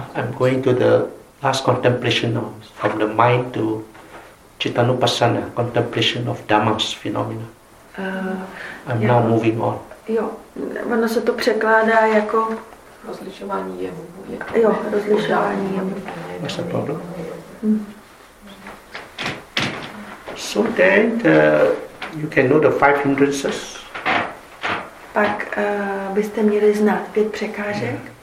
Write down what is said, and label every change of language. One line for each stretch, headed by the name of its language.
English: I'm going to the last contemplation now, from the mind to cittanupassana, contemplation of dhammas, phenomena. Now moving on.
Czech: Jo, ono se to překládá jako rozlišování jevu. Jo, rozlišování jevu.
English: What's the problem? So then, you can know the five hindrances.
Czech: Pak byste měli znát pět překážek.